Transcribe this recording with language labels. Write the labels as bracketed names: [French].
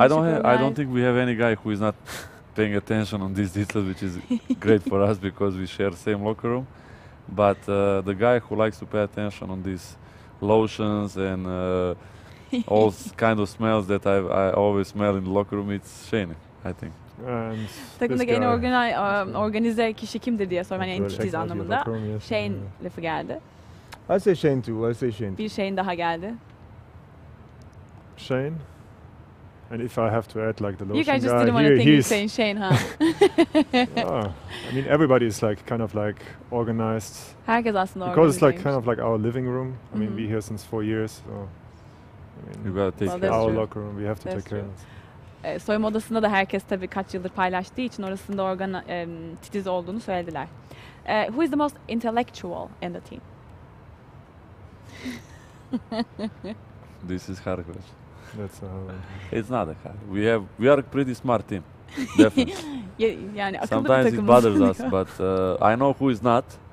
[English] I don't think we have any guy who is not paying attention on these details, which is great for us because we share the same locker room. But the guy who likes to pay attention on these lotions and all kind of smells that I always smell in the locker room, it's Shane, I think. [Turkish] Takımdaki en organize kişi kimdir diye sorma, yani en titiz anlamında. Shane lafı geldi. [English] I say Shane too, I say Shane. [Turkish] Bir Shane daha geldi. [English] Shane? And if I have to add like the lotion guy, you guys just didn't want to think you're saying Shane, huh? I mean, everybody is like kind of like organized. [Turkish] Herkes aslında organized. [English] Because it's like kind of like our living room. I mean, we're here since 4 years. So, I mean, you gotta take care of our locker room. We have to take care of it. [Turkish] Soyunma odasında da herkes tabii kaç yıldır paylaştığı için orasında titiz olduğunu söylediler. [English] Who is the most intellectual in the team? This is hard question. That's it's not a hard. We are a pretty smart team. Definitely. Yani sometimes it bothers us, but I know who is not.